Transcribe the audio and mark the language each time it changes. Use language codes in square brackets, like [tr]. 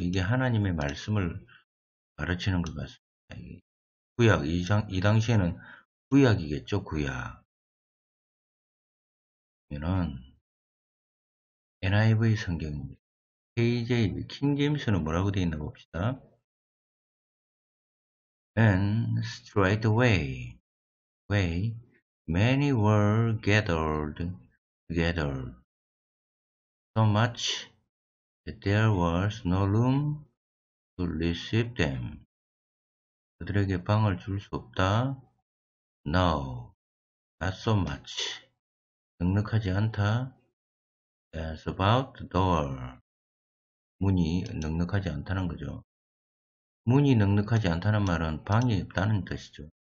[ko] 이게 하나님의 말씀을 가르치는 것 같습니다. 구약, 이 당시에는 구약이겠죠. 구약. 그러면은 NIV 성경입니다. KJV, 킹제임스는 뭐라고 되어 있나 봅시다. [en] And straight away. Way, many were gathered so much that there was no room to receive them. [ko] 그들에게 방을 줄 수 없다. [en] No, not so much. [ko] 넉넉하지 않다. [en] As about the door. [ko] 문이 넉넉하지 않다는 거죠. 문이 넉넉하지 않다는 말은 방이 없다는 뜻이죠.